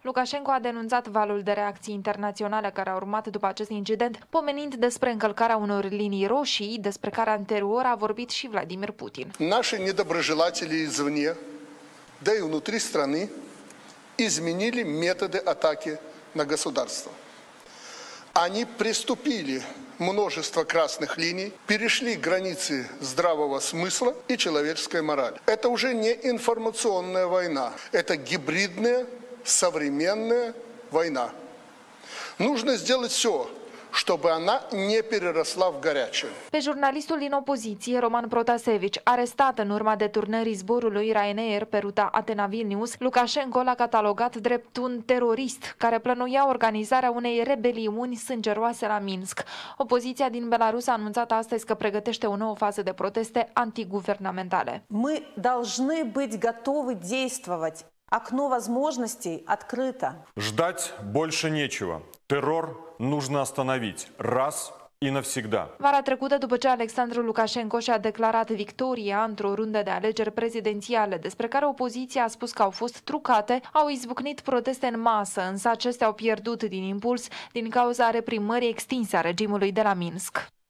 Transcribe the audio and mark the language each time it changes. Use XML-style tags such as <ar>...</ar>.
<ro>Lukashenko a denunțat valul de reacții internaționale care a urmat după acest incident, pomenind despre încălcarea unor linii roșii, despre care anterior a vorbit și Vladimir Putin.</ro> <ru>Наши недоброжелатели извне, да и внутри страны, изменили методы атаки на государство. Они преступили множество красных линий, перешли границы здравого смысла и человеческой морали. Это уже не информационная война, это гибридная современная война. Нужно сделать все, чтобы она не переросла в горячее.</ru> <ro>Pe jurnalistul din opoziție, Roman Protasevici, arestat în urma deturnării zborului Ryanair pe ruta Atena-Vilnius, Lukashenko l-a catalogat drept un terorist care plănuia organizarea unei rebeliuni sângeroase la Minsk. Opoziția din Belarus a anunțat astăzi că pregătește o nouă fază de proteste antiguvernamentale.</ro> <ru>Мы должны быть готовы действовать. Окно возможностей открыто. Ждать больше нечего. Терор нужно остановить раз и навсегда.</ru> <ro>Vara trecută, după ce Alexandru Lukashenko și-a declarat victoria într-o rundă de alegeri prezidențiale, despre care opoziția a spus că au fost trucate, au izbucnit proteste în masă, însă acestea au pierdut din impuls din cauza reprimării extinse a regimului de la Minsk.</ro>